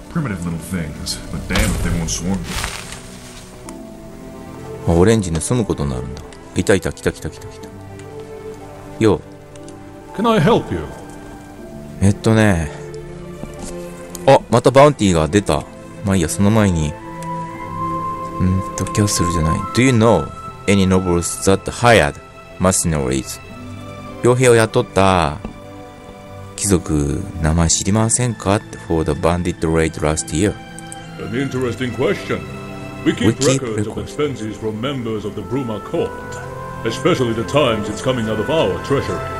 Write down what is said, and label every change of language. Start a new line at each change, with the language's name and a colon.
English: Primitive little things, but damn if they won't swarm.
Japanese: あ、オレンジ盗むことになるんだ。いたいた、来た来た来た来た。よ。
English: Can I help you?
Japanese: ね。あ、またバウンティーが出た。まあいいや、その前に。キャッスルじゃない。
English: Do you know any nobles that hired mercenaries?
Japanese: 傭兵を雇った。貴族、名前知りませんか ?
English: for the bandit raid last year. An interesting question. We keep records of expenses from members of the Bruma court, especially the times it's coming out of our treasury.